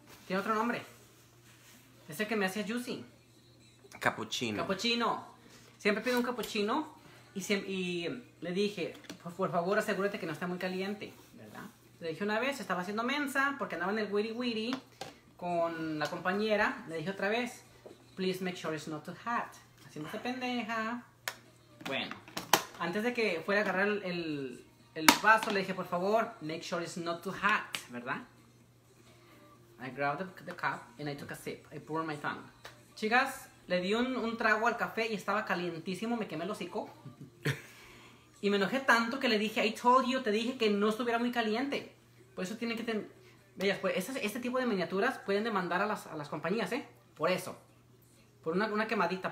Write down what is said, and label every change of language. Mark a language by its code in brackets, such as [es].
[es] Tiene otro nombre. Es el que me hacía juicy. Cappuccino. Siempre pido un cappuccino y le dije, por favor, asegúrate que no está muy caliente, ¿verdad? Le dije una vez, estaba haciendo mensa porque andaba en el Wiri Wiri con la compañera. Le dije otra vez, [en] please make sure it's not too hot. [es] Haciéndose pendeja. Bueno, antes de que fuera a agarrar el vaso, le dije, por favor, [en] make sure it's not too hot, [es] ¿verdad? [en] I grabbed the cup and I took a sip. I poured my tongue. [es] Chicas, le di un trago al café y estaba calientísimo. Me quemé el hocico. Y me enojé tanto que le dije, [en] I told you, [es] te dije que no estuviera muy caliente. Por eso tienen que tener... Bellas, pues este tipo de miniaturas pueden demandar a las compañías, ¿eh? Por eso. Por una quemadita.